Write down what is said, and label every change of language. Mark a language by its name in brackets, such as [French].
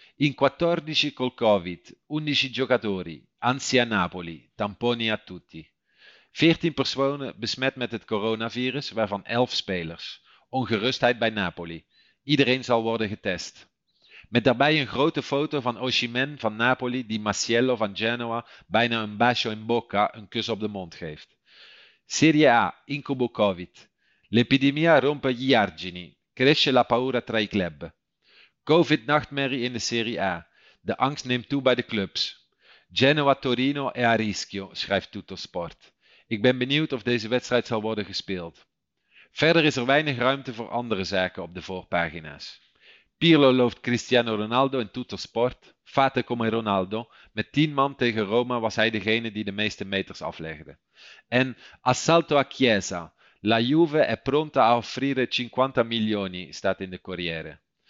[Italian] In 14 col Covid, 11 giocatori, anzi a Napoli, tamponi a tutti. [Dutch] 14 personen besmet met het coronavirus, waarvan 11 spelers. Ongerustheid bij Napoli. Iedereen zal worden getest. Met daarbij een grote foto van Osimhen van Napoli die Marcello van Genoa bijna [Italian] een bacio in bocca, [Dutch] een kus op de mond geeft. [Italian] Serie A, incubo Covid. L'epidemia rompe gli argini. Cresce la paura tra i club. [Dutch] Covid-nachtmerrie in de Serie A. De angst neemt toe bij de clubs. [Italian] Genoa-Torino è a rischio, [Dutch] schrijft Tutto Sport. Ik ben benieuwd of deze wedstrijd zal worden gespeeld. Verder is er weinig ruimte voor andere zaken op de voorpagina's. Pirlo looft Cristiano Ronaldo in Tutto Sport. [Italian] Fate come Ronaldo. [Dutch] Met 10 man tegen Roma was hij degene die de meeste meters aflegde. [Italian] En Assalto a Chiesa. La Juve è pronta a offrire 50 milioni, [Dutch] staat in de Corriere.